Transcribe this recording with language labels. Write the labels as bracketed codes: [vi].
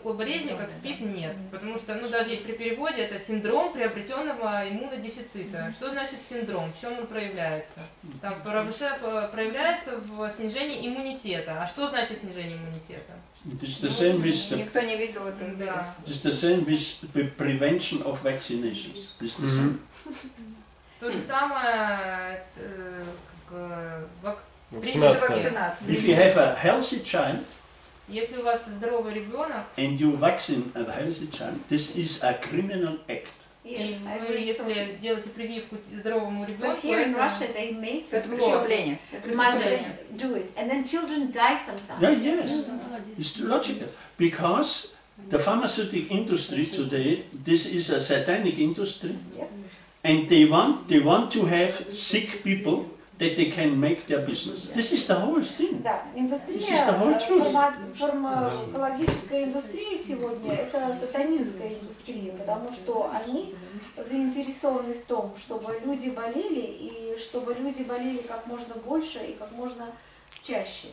[ru] Такой болезни, как СПИД, нет. Потому что, ну, даже при переводе, это синдром приобретенного иммунодефицита. Что значит синдром? В чем он проявляется? Там проявляется в снижении иммунитета. А что значит снижение иммунитета? Никто не видел это. [en] It's the same with the prevention of vaccinations. It's the same. [ru] То же самое, как вакцинации. [en] If you have a healthy child, [ru] если у вас здоровый ребенок, [en] and you vaccine a healthy child, this is a criminal act. [ru] Если делаете прививку здоровому ребенку, [en] but here in Russia they make [ru] the преступление. [en] Mothers do it, and then children die sometimes. Yeah, yes, it's too logical because the pharmaceutical industry today, this is a satanic industry, and they want to have sick people that they can make their business. This is the whole thing. [ru] Да, индустрия, фармакологическая индустрия сегодня – это сатанинская индустрия, потому что они заинтересованы в том, чтобы люди болели, и чтобы люди болели как можно больше и как можно чаще.